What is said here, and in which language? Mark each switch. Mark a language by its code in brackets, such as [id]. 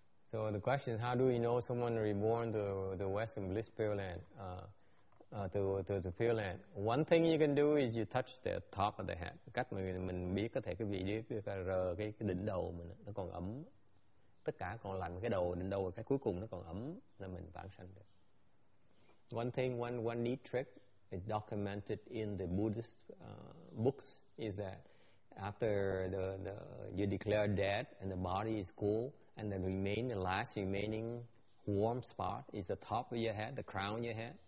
[en] So the question is, how do we know someone reborn to Western Bliss Pure Land, to Pure Land? One thing you can do is you touch the top of the head. [vi] Cách mà mình biết có thể cái vị đi rờ cái đỉnh đầu mình nó còn ấm, tất cả còn lạnh, cái đầu đỉnh đầu cái cuối cùng nó còn ấm là mình vãng sanh được. [en] One neat trick is documented in the Buddhist books is that after the you declare dead and the body is cool, and the last remaining warm spot is the top of your head, the crown of your head.